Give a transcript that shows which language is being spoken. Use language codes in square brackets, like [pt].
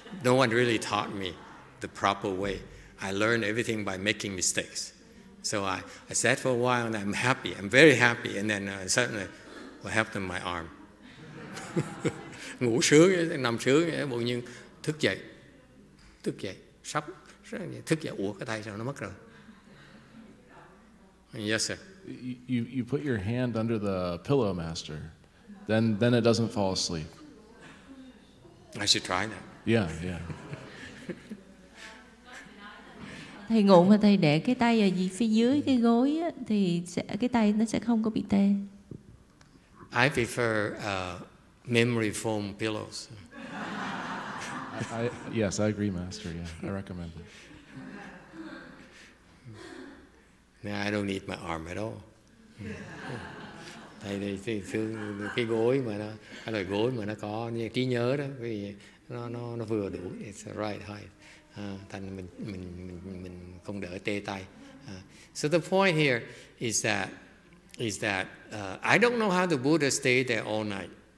[en] No one really taught me the proper way. I learned everything by making mistakes. So I sat for a while, and I'm happy. I'm very happy. And then suddenly, what happened to my arm? [vi] Ngủ sướng, nằm sướng, bỗng nhiên thức dậy, sắp thức dậy, ủa cái tay sao nó mất rồi. [en] Yes, sir. You put your hand under the pillow, Master. Then it doesn't fall asleep. I should try that. Yeah. [vi] Thầy ngủ mà thầy để cái tay ở phía dưới cái gối á, thì cái tay nó sẽ không có bị tê. [en] I prefer memory foam pillows. Yes, I agree, Master. Yeah, I recommend it. Now I don't need my arm at all. [vi] Thầy thì xương cái gối mà nó cái loại gối mà nó có như trí nhớ đó, vì nó vừa đủ. [en] It's the right height. [vi] Thành mình không đỡ tê tay. [en] So the point here is that I don't know how the Buddha stayed there all night.